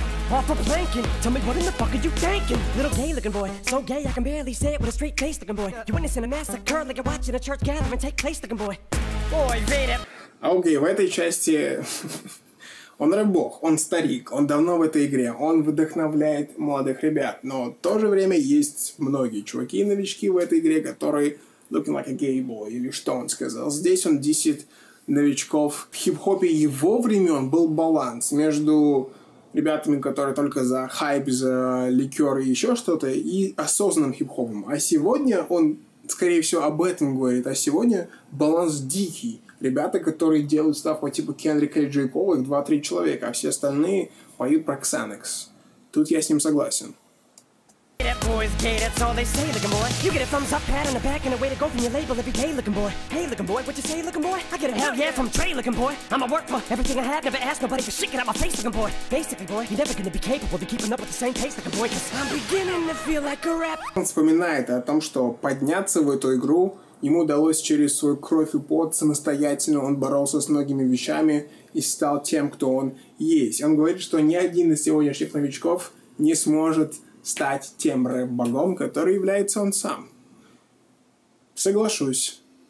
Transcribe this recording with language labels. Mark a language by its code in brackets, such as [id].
[en] Off a planking, tell me what in the fuck are you thinking? Little gay looking boy, so gay I can barely say it with a straight face looking boy. You witnessing a massacre like you're watching a church gathering take place looking boy. Boy, read it. [ru] Окей, в этой части он рэп-бог, он старик, он давно в этой игре, он вдохновляет молодых ребят. Но в то же время есть многие чуваки и новички в этой игре, которые [en] looking like a gay boy, [ru] или что он сказал. Здесь он диссит новичков. В хип-хопе его времен был баланс между ребятами, которые только за хайп, за ликер и еще что-то, и осознанным хип-хопом. А сегодня он, скорее всего, об этом говорит. А сегодня баланс дикий. Ребята, которые делают ставку типа Кендрика и Джей Кола, 2-3 человека, а все остальные поют про Xanax. Тут я с ним согласен. [en] That boy's gay, that's all they say, looking boy. You get a thumbs up, pat on the back, and a way to go from your label every day, looking boy. Hey, looking boy, what you say, looking boy? I get a hell yeah from Trey, looking boy. I'ma work for everything I have, never ask nobody for shit, get out my face, looking boy. Basically, boy, you're never gonna be capable of keeping up with the same pace, looking boy, cause I'm beginning to feel like a rap. [ru] Он вспоминает о том, что подняться в эту игру ему удалось через свою кровь и пот самостоятельно. Он боролся с многими вещами и стал тем, кто он есть. Он говорит, что ни один из сегодняшних новичков не сможет стать тем рэп-богом, который является он сам. Соглашусь.